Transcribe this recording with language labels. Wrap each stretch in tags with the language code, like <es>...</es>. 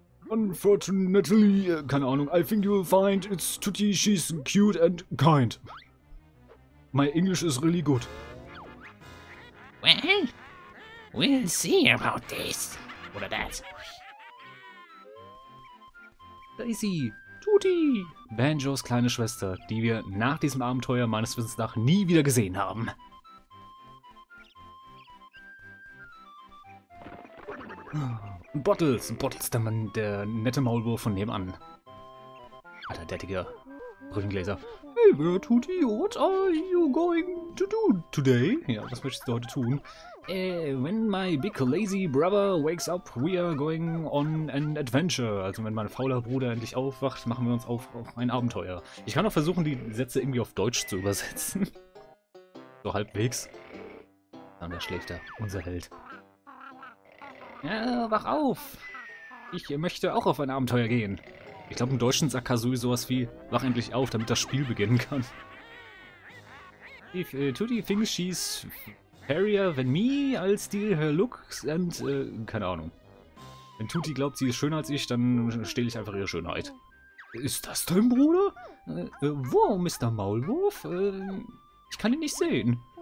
<en>Unfortunately,</en> <de>keine Ahnung,</de> <en>I think you'll find it's Tootie, she's cute and kind. My English is really good. Well, we'll see about this. What are that?</en> <de>Daisy, Tootie, Banjos kleine Schwester, die wir nach diesem Abenteuer meines Wissens nach nie wieder gesehen haben. Bottles, Bottles, der Mann, der nette Maulwurf von nebenan. Alter, dertige Brillengläser. Hey, wer tut hier?</de> <en>What are you going to do today?</en> <de>Ja, was möchtest du heute tun?</de> <en>When my big lazy brother wakes up, we are going on an adventure.</en> <de>Also, wenn mein fauler Bruder endlich aufwacht, machen wir uns auf ein Abenteuer. Ich kann auch versuchen, die Sätze irgendwie auf Deutsch zu übersetzen. So halbwegs. Dann der Schläfer, unser Held. Ja, wach auf! Ich möchte auch auf ein Abenteuer gehen. Ich glaube, im Deutschen sagt Kazooie sowas wie: Wach endlich auf, damit das Spiel beginnen kann.</de> <en>If Tootie thinks she's fairer than me, I'll steal her looks and.</en> <de>Keine Ahnung. Wenn Tootie glaubt, sie ist schöner als ich, dann stehle ich einfach ihre Schönheit. Ist das dein Bruder? Wo, Mr. Maulwurf? Ich kann ihn nicht sehen.</de>